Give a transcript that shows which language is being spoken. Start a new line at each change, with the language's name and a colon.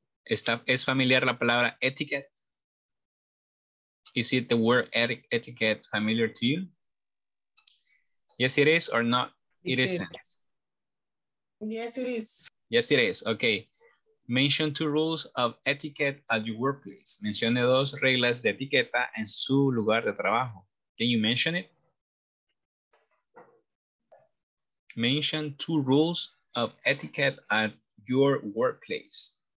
Spanish: Está, ¿es familiar la palabra etiquette?
English: Is it the word etiquette familiar to you? Yes, it is, or not? Yes, it is. Okay. Mention two rules of etiquette at your workplace.
Spanish: Mencione dos reglas de etiqueta en su lugar de trabajo.
English: Can you mention it? Mention two rules of etiquette at your workplace.